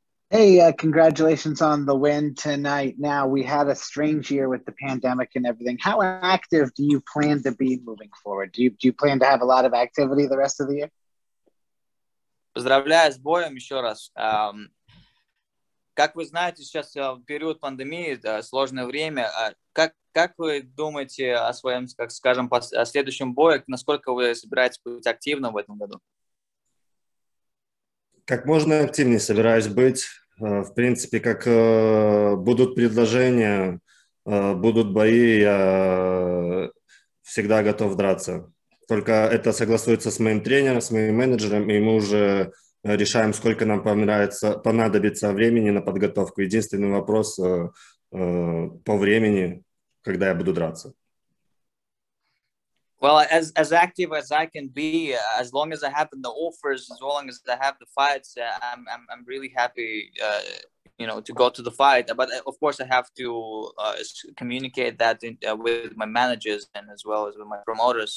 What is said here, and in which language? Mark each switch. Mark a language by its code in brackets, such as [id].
[en] Hey, congratulations on the win tonight. Now, we had a strange year with the pandemic and everything. How active do you plan to be moving forward? Do you plan to have a lot of activity the rest of the year? [ru] Поздравляю с боем еще раз. Как вы знаете, сейчас в период пандемии, да, сложное время. Как вы думаете о своем, как скажем, о следующем бою? Насколько вы собираетесь быть активным в этом году? Как можно активнее собираюсь быть. В принципе, как будут предложения, будут бои, я всегда готов драться. Только это согласуется с моим тренером, с моим менеджером, и мы уже решаем, сколько нам понадобится времени на подготовку. Единственный вопрос по времени, когда я буду драться. [en] Well, as active as I can be, as long as I have the offers, as long as I have the fights, I'm really happy, you know, to go to the fight. But of course, I have to communicate that with my managers and as well as with my promoters.